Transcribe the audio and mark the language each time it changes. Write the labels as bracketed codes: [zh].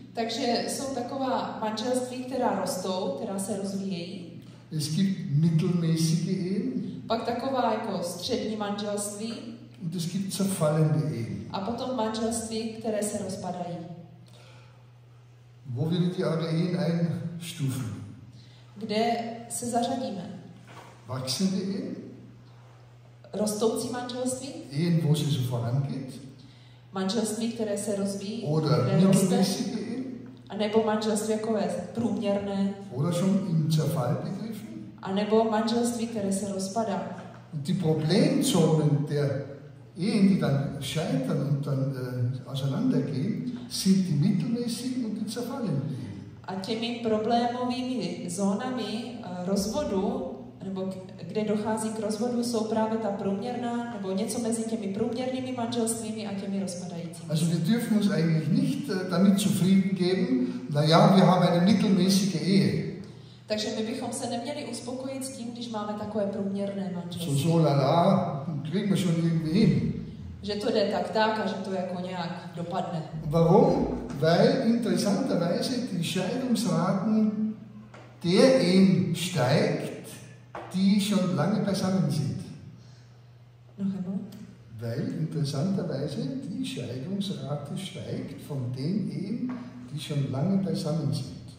[cs] Takže jsou taková manželství, která rostou, která se rozvíjejí. [de] Es gibt mittelmäßige Ehen. [cs] Pak taková jako střední manželství. [de] Und es gibt zerfallende Ehen. [cs] A potom manželství, které se rozpadají. [de] Wo würdet ihr eure Ehen einstufen? [cs] Kde se zařadíme? [de] Wachsende Ehen? [cs] Rostoucí manželství? [de] Ehen, wo sie so vorangeht? [cs] Manželství, které se rozvíjí. [de] Oder mittelmäßige Ehen? [cs] A nebo manželství jako průměrné. [de] Oder schon im Zerfall begriffen? [cs] A nebo manželství, které se rozpadá. [de] Und die Problemzonen der Ehen, die dann scheitern und dann auseinandergehen, sind die mittelmäßigen und die zerfallenen. [cs] A těmi problémovými zónami rozvodu, nebo kde dochází k rozvodu, jsou právě ta průměrná, nebo něco mezi těmi průměrnými manželstvími a těmi rozpadajícími. [de] Also wir dürfen uns eigentlich nicht damit zufrieden geben, naja, wir haben eine mittelmäßige Ehe. [cs] Takže my bychom se neměli uspokojit s tím, když máme takové průměrné manželství. [de] So la la, kriegen wir schon irgendwie hin. [cs] Že to jde tak a že to jako nějak dopadne. [de] Warum? Weil interessanterweise die Scheidungsraten der Ehen steigt, die schon lange beisammen sind. Noch einmal. Weil interessanterweise die Scheidungsrate steigt von den Ehen, die schon lange beisammen sind.